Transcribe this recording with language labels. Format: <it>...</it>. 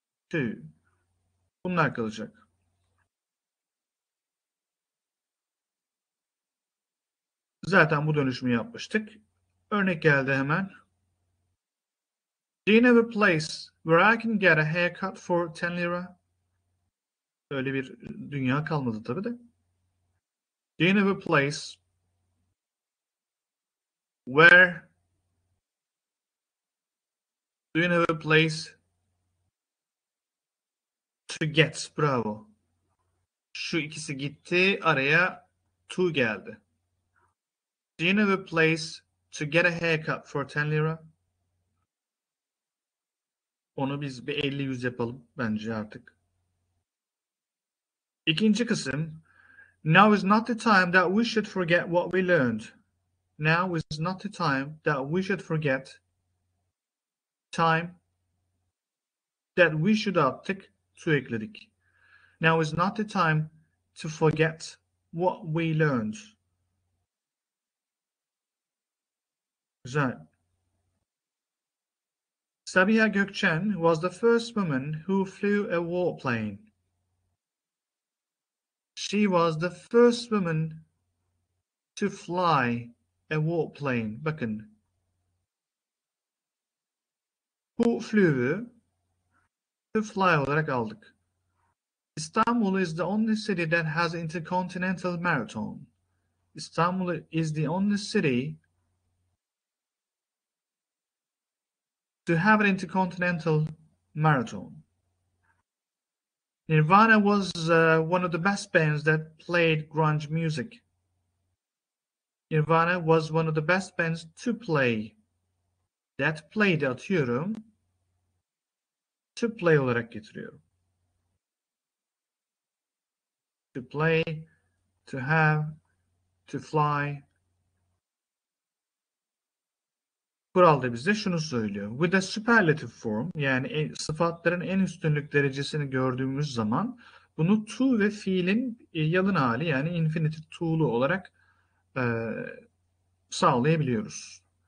<tr>To. Bunlar kalacak. Zaten bu dönüşümü yapmıştık. Örnek geldi hemen.</tr> <en>Do you know a place where I can get a haircut for 10 lira?</en> <tr>Öyle bir dünya kalmadı tabii de.</tr> <en>Do you know a place where Do you know a place to get?</en> <tr>Bravo. Şu ikisi gitti, araya to geldi.</tr> <en>Do you know a place to get a haircut for 10 lira?</en> <tr>Onu biz bir 50-100 yapalım bence artık. İkinci kısım.</tr> <en>Now is not the time that we should forget what we learned. Now is not the time that we should forget. Time that we should</en> <tr>attık, su ekledik.</tr> <en>Now is not the time to forget what we learned.</en> <tr>Güzel.</tr> <en>Sabiha Gökçen was the first woman who flew a warplane. She was the first woman to fly a warplane.</en> <tr>Bakın.</tr> <en>Who flew'ü to fly</en> <tr>olarak aldık.</tr> <en>İstanbul is the only city that has intercontinental marathon. İstanbul is the only city to have an intercontinental marathon. Nirvana was one of the best bands that played grunge music. Nirvana was one of the best bands to play. That played</en> <tr>atıyorum.</tr> <en>To play</en> <tr>olarak getiriyorum.</tr> <en>To play, to have, to fly.</en> <tr>Kural da bize şunu söylüyor.</tr> <en>With a superlative form,</en> <tr>yani sıfatların en üstünlük derecesini gördüğümüz zaman bunu to ve fiilin yalın hali yani infinitive to'lu olarak sağlayabiliyoruz.</tr>